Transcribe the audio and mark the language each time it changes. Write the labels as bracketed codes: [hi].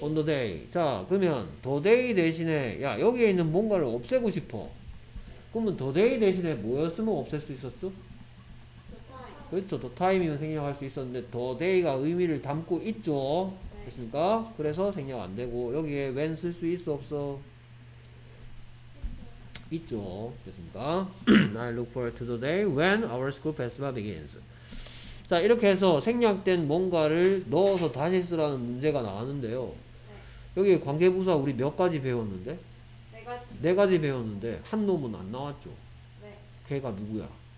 [en] On the day. [ko] 자 그러면 the day 대신에 야 여기에 있는 뭔가를 없애고 싶어. 그러면 the day 대신에 뭐였으면 없앨 수 있었어? 그렇죠. The time이면 생략할 수 있었는데 the day가 의미를 담고 있죠. 네. 됐습니까? 그래서 생략 안 되고 여기에 when 쓸 수 있어 없어? 있죠. 됐습니까? [en] I look forward to the day when our school festival begins. [ko] 자 이렇게 해서 생략된 뭔가를 넣어서 다시 쓰라는 문제가 나왔는데요. 네. 여기 관계부사 우리 몇 가지 배웠는데? 네 가지. 네 가지 배웠는데 한 놈은 안 나왔죠. 네. 걔가 누구야?